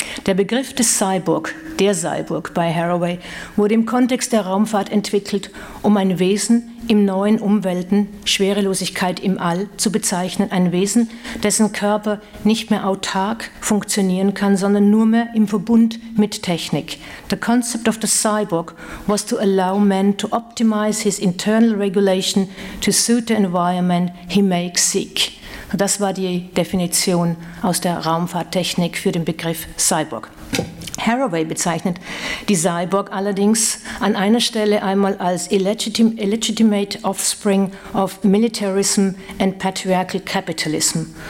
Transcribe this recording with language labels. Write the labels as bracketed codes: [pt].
[de] Der Begriff des Cyborg, der Cyborg bei Haraway, wurde im Kontext der Raumfahrt entwickelt, um ein Wesen im neuen Umwelten, Schwerelosigkeit im All, zu bezeichnen. Ein Wesen, dessen Körper nicht mehr autark funktionieren kann, sondern nur mehr im Verbund mit Technik. [en] The concept of the cyborg was to allow man to optimize his internal regulation to suit the environment he makes sick. [de] Das war die Definition aus der Raumfahrttechnik für den Begriff Cyborg. Haraway bezeichnet die Cyborg allerdings an einer Stelle einmal als [en] illegitimate offspring of militarism and patriarchal capitalism.